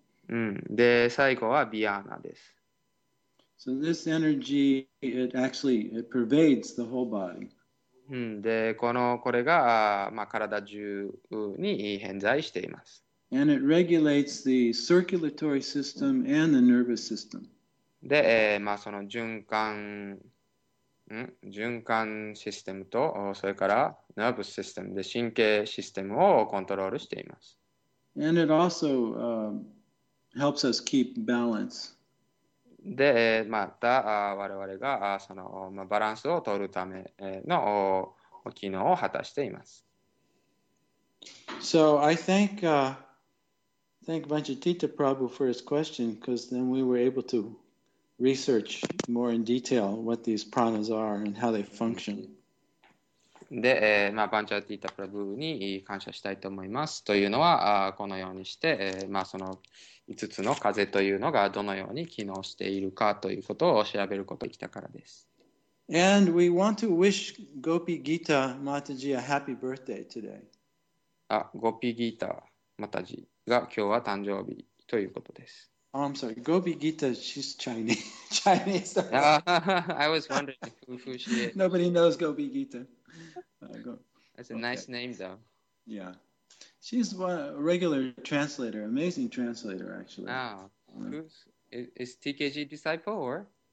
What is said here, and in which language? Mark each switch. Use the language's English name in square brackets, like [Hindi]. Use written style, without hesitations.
[Japanese] うん、で、最後はヴィアーナです。 [English] So this energy, it pervades the whole body. [Japanese] うん、で、この、これが、まあ、体中に偏在しています。 [English] And it regulates the circulatory system and the nervous system. [Japanese] で、まあ、その循環、循環システムと、それから、ナーブスシステムで、神経システムをコントロールしています。 [English] And it also, helps us keep balance. [Japanese] で、また、我々が、その、まあ、バランスを取るための機能を果たしています。 [English] So I thank Vanchatita Prabhu for his question, because then we were able to research more in detail what these pranas are and how they function. [Japanese] で、まあ、バンチャーティータプラブに感謝したいと思います。というのは、このようにして、まあ、その5つの風というのがどのように機能しているかということを調べることができたからです。 [English] And we want to wish Gopi Gita Mataji a happy birthday today. [Japanese] あ、Gopi Gita Mataji が今日は誕生日ということです。 [English] Oh, I'm sorry. Gopi Gita, she's Chinese. I was wondering who she is. Nobody knows Gopi Gita. That's a nice name, though. Yeah. She's a regular translator, amazing translator, actually. Oh, is TKG disciple, or?